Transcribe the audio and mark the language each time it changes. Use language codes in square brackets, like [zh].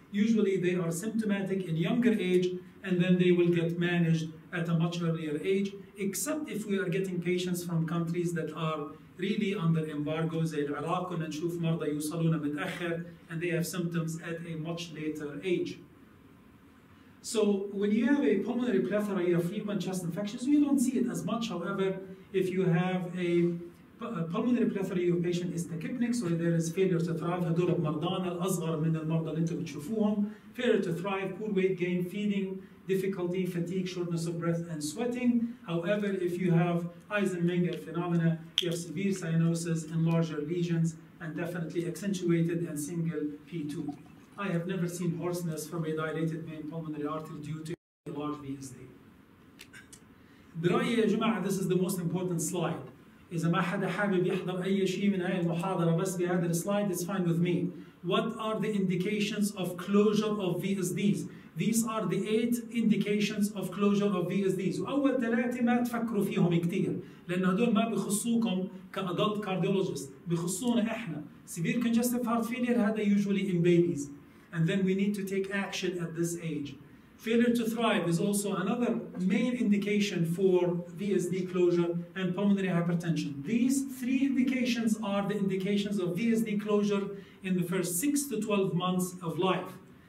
[en] Usually they are symptomatic in younger age, and then they will get managed at a much earlier age, except if we are getting patients from countries that are really under embargo, [ar] زي العراق ونشوف مرضى يوصلون متأخر, [en] and they have symptoms at a much later age. So when you have a pulmonary plethora, you have frequent chest infections, you don't see it as much. However, if you have a pulmonary plethora, your patient is tachypnic, so there is failure to thrive. [ar] هدول مرضانا الأصغر من المرضى اللي انتم بتشوفوهم. [en] Failure to thrive, poor weight gain, feeding difficulty, fatigue, shortness of breath, and sweating. However, if you have Eisenmenger phenomena, you have severe cyanosis and larger lesions, and definitely accentuated and single P2. I have never seen hoarseness from a dilated main pulmonary artery due to a large VSD. [ar] برأيي يا جماعة, [en] this is the most important slide. [ar] إذا ما حدا حابب يحضر أي شيء من هاي المحاضرة بس بهذا السلايد, [en] it's fine with me. What are the indications of closure of VSDs? These are the 8 indications of closure of VSDs. [ar] أول ثلاثة ما تفكروا فيهم كتير, لأن هدول ما بخصوكم كأدلت كارديولوجيست, بخصونا إحنا. [en] Severe congestive heart failure, هذا usually in babies. And then we need to take action at this age. Failure to thrive is also another main indication for VSD closure and pulmonary hypertension. These 3 indications are the indications of VSD closure in the first 6 to 12 months of life.